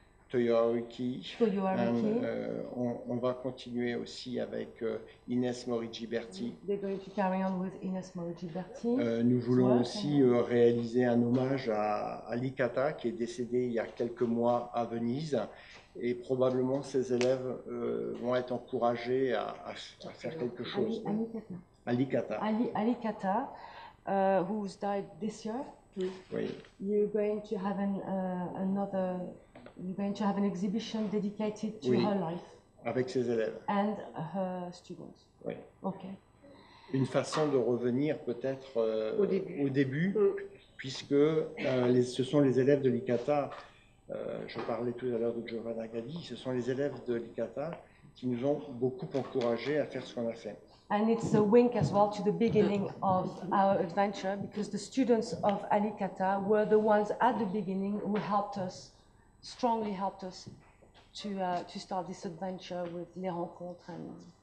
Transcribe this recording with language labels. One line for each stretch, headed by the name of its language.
French: Toyohiki, on va continuer aussi avec Inès Morigi-Berti.
English: They're going to carry on with Inès Morigi-Berti.
French: Nous voulons aussi réaliser un hommage à Ali Kata, qui est décédé il y a quelques mois à Venise, et probablement ses élèves vont être encouragés à faire quelque chose.
English: Ali Kata, who's died this year.
French: Oui.
English: You're going to have another. You're going to have an exhibition dedicated to her life.
French: Avec ses élèves.
English: And her students.
French: Oui.
English: Okay.
French: Une façon de revenir peut-être au début puisque ce sont les élèves de l'ICATA, je parlais tout à l'heure de Giovanna Galli, ce sont les élèves de l'ICATA qui nous ont beaucoup encouragés à faire ce qu'on a fait.
English: And it's a wink as well to the beginning of our adventure because the students of l'ICATA were the ones at the beginning who helped us strongly helped us to start this adventure with Les Rencontres and